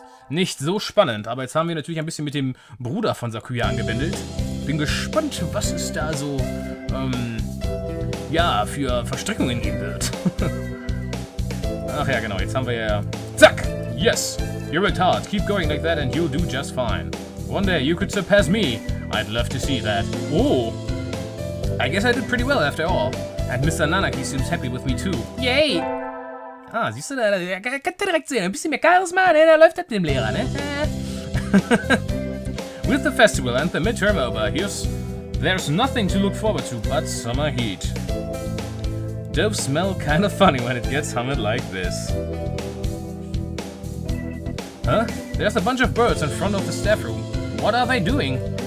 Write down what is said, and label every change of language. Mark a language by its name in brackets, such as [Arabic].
[German] Nicht so spannend, aber jetzt haben wir natürlich ein bisschen mit dem Bruder von Sakuya angebändelt. Bin gespannt, was es da so, für Verstrickungen geben wird. Ach ja, genau, jetzt haben wir ja... Zack! Yes! [English] You worked hard, keep going like that and you'll do just fine. One day you could surpass me. I'd love to see that. Oh! I guess I did pretty well after all. And Mr. Nanaki seems happy with me too. Yay! [German] Ah, siehst du, da kannst du direkt sehen, ein bisschen mehr Charisma, ne? Da läuft das mit dem Lehrer, ne? [English] With the festival and the midterm over, there's nothing to look forward to but summer heat. Doves smell kind of funny when it gets humid like this. Huh? There's a bunch of birds in front of the staff room. What are they doing?